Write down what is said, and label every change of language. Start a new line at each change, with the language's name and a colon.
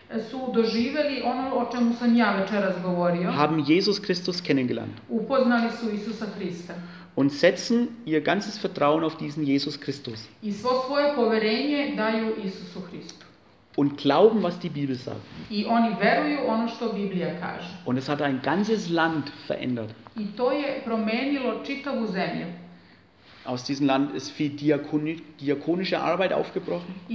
Serbian: su doživeli ono o čemu sam ja večeras govorio,
German: haben Jesus Christus kennengelernt,
Serbian: upoznali su Isusa Hrista,
German: und setzen ihr ganzes Vertrauen auf diesen Jesus Christus,
Serbian: i svo svoje poverenje daju Isusu Hristu,
German: und glauben, was die Bibel sagt.
Serbian: I oni veruju ono što Biblija kaže.
German: Und es hat ein ganzes Land verändert.
Serbian: I to je promijenilo čitavu zemlju.
German: Aus diesem Land ist viel diakonische Arbeit aufgebrochen.